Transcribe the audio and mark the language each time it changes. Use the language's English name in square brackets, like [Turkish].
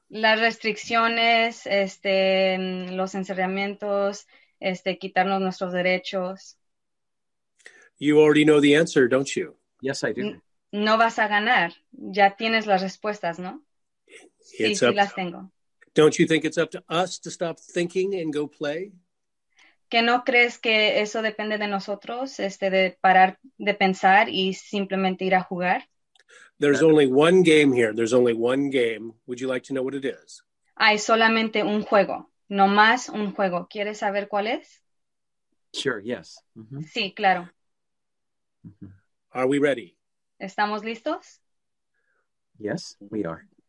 [Spanish] Las restricciones, los encerramientos, quitarnos nuestros derechos. [English] You already know the answer, don't you? Yes, I do. [Spanish] No vas a ganar. Ya tienes las respuestas, ¿no? Las tengo. [English] Don't you think it's up to us to stop thinking and go play? [Spanish] ¿Que no crees que eso depende de nosotros, de parar de pensar y simplemente ir a jugar? [English] There's only one game here. There's only one game. Would you like to know what it is? [Spanish] Hay solamente un juego. No más un juego. ¿Quieres saber cuál es? [English] Sure, yes. [Spanish] Sí, claro. [English] Are we ready? [Spanish] ¿Estamos listos? [English] Yes, we are.